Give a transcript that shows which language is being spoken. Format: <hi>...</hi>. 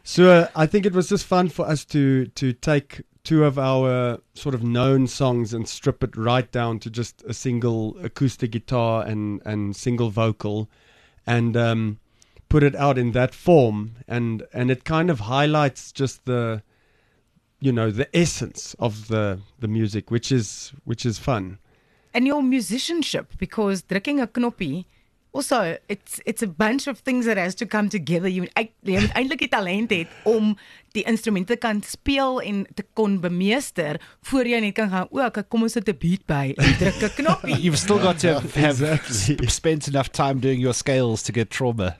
<en>So I think it was just fun for us to take two of our sort of known songs and strip it right down to just a single acoustic guitar and single vocal and put it out in that form. And it kind of highlights just the, you know, the essence of the music, which is fun. And your musicianship, because drinking a knoppie... Also, it's a bunch of things that has to come together.</en> <af>Jy moet eintlik die talent hê om die instrumente kan speel en te kon bemeester voor jy net kan gaan, kom ons sit 'n beat by en druk 'n knoppie.</af> <en>You've still got to have spent enough time doing your scales to get trauma.</en>